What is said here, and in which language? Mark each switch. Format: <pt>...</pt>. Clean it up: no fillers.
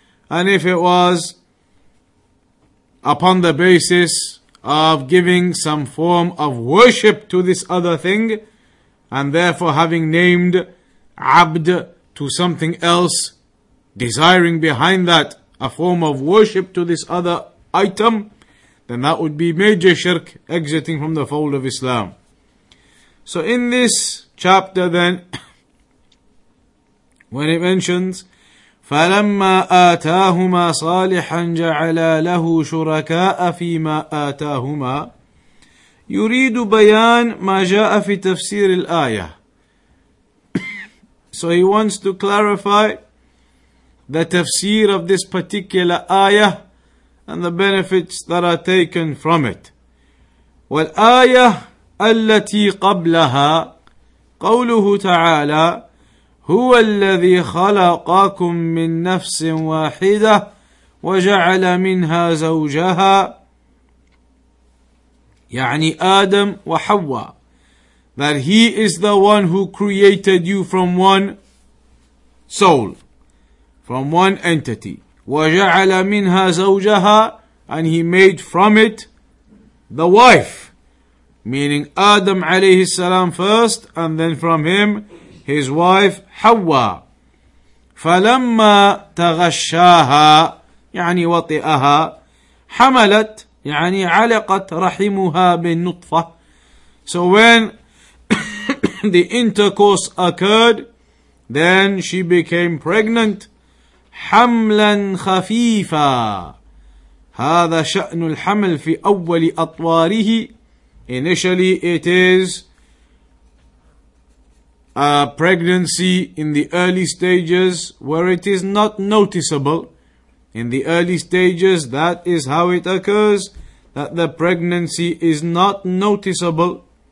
<en>And if it was upon the basis of giving some form of worship to this other thing, and therefore having named abd to something else, desiring behind that a form of worship to this other item, then that would be major shirk, exiting from the fold of Islam. So in this chapter then, when it mentions,</en> <ar>فَلَمَّا آتَاهُمَا صَالِحًا جَعَلَا لَهُ شُرَكَاءَ فِي مَا آتَاهُمَا يُرِيدُ بَيَانْ مَا جَاءَ فِي تَفْسِيرِ الْآيَةِ.</ar> <en>So he wants to clarify the tafsir of this particular ayah and the benefits that are taken from it.</en> <ar>والآية التي قبلها قوله تعالى هو الذي خلقكم من نفس واحدة وجعل منها زوجها يعني آدم وحواء.</ar> <en>That he is the one who created you from one soul, from one entity.</en> <ar>وَجَعَلَ مِنْهَا زَوْجَهَا,</ar> <en>and he made from it the wife, meaning Adam alayhi salam first, and then from him his wife Hawa.</en> <ar>فَلَمَّا تَغَشَّاهَا يعني وَطِئَهَا حَمَلَتْ يعني عَلَقَتْ رَحِمُهَا بِالنُّطْفَةِ.</ar> <en>So when the intercourse occurred, then she became pregnant.</en> <ar>حَمْلًا خَفِيفًا هَذَا شَأْنُ الْحَمْلِ فِي أَوَّلِ أَطْوَارِهِ.</ar> <en>Initially it is a pregnancy in the early stages where it is not noticeable. In the early stages, that is how it occurs, that the pregnancy is not noticeable.</en>